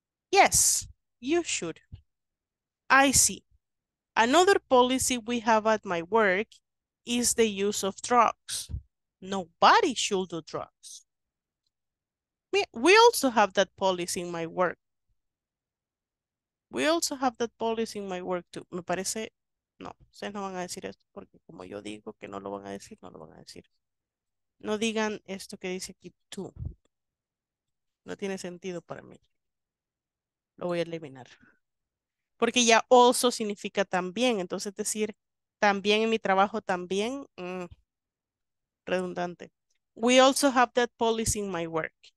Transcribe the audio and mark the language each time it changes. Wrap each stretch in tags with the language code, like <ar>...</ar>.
<en>Yes, you should. I see. Another policy we have at my work is the use of drugs. Nobody should do drugs. We also have that policy in my work. We also have that policy in my work too.</en> <es>Me parece, no, ustedes no van a decir esto porque como yo digo que no lo van a decir, no lo van a decir. No digan esto que dice aquí tú. No tiene sentido para mí. Lo voy a eliminar. Porque ya also significa también. Entonces decir también en mi trabajo también, redundante.</es> <en>We also have that policy in my work.</en>